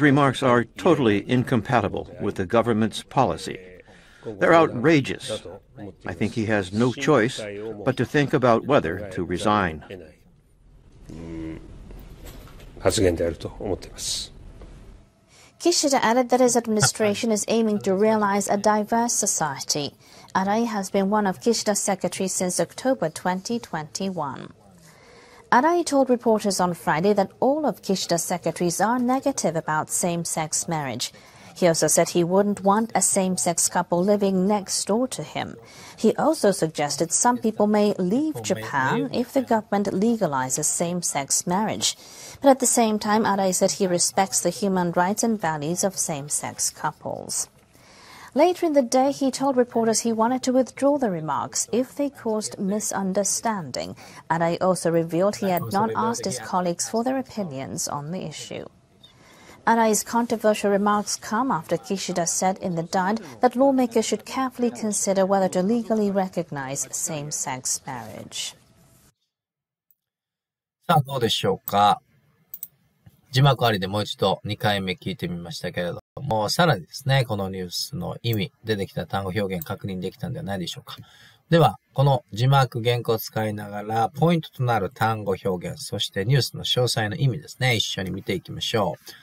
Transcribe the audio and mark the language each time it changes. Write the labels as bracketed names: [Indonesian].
[English] remarks are totally incompatible with the government's policy. They're outrageous. I think he has no choice but to think about whether to resign. [Japanese] 発言であると思っています。 [English] Kishida added that his administration is aiming to realize a diverse society. Arai has been one of Kishida's secretaries since October 2021. Arai told reporters on Friday that all of Kishida's secretaries are negative about same-sex marriage. He also said he wouldn't want a same-sex couple living next door to him. He also suggested some people may leave Japan if the government legalizes same-sex marriage. But at the same time, Arai said he respects the human rights and values of same-sex couples. Later in the day, he told reporters he wanted to withdraw the remarks if they caused misunderstanding. Arai also revealed he had not asked his colleagues for their opinions on the issue. Arai's controversial remarks come after Kishida said in the diet that lawmakers should carefully consider whether to legally recognize same-sex marriage. [Japanese] さあどうでしょうか。字幕ありでもう一度2回目聞いてみましたけれども、さらにですね、このニュースの意味、出てきた単語表現確認できたんではないでしょうか。では、この字幕原稿を使いながら、ポイントとなる単語表現、そしてニュースの詳細の意味ですね、一緒に見ていきましょう。